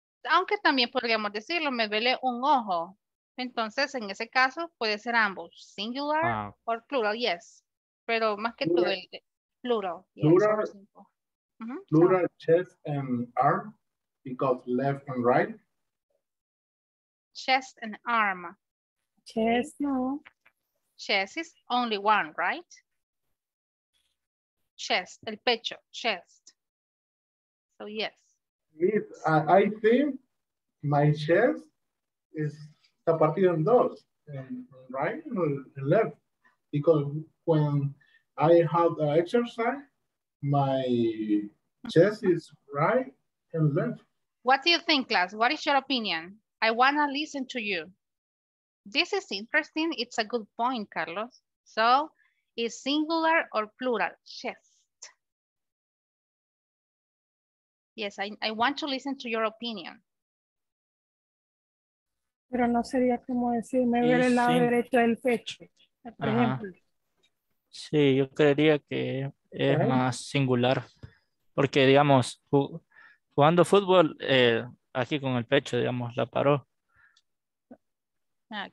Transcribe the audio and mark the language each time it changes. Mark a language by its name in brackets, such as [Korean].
[Spanish] Aunque también podríamos decirlo, me duele un ojo. Entonces, en ese caso, puede ser ambos, singular o plural, yes. Pero más que plural. Todo, el plural. [English] Plural, yes, plural, chest and arm, because left and right. Chest and arm. Chest, no. Chest is only one, right? chest, [Spanish] el pecho, [English] chest. So yes. I think my chest is a [Spanish] partido en dos, [English] right or left, because when I have the exercise, my chest is right and left. What do you think, class? What is your opinion? I want to listen to you. This is interesting. It's a good point, Carlos. So, is singular or plural? Chest. Yes, I want to listen to your opinion. [Spanish] Pero no sería como decir, me duele el lado derecho del pecho, por ejemplo. Sí, yo creería que es right. más singular. Porque, digamos, jugando fútbol, aquí con el pecho, digamos, la paró. Okay.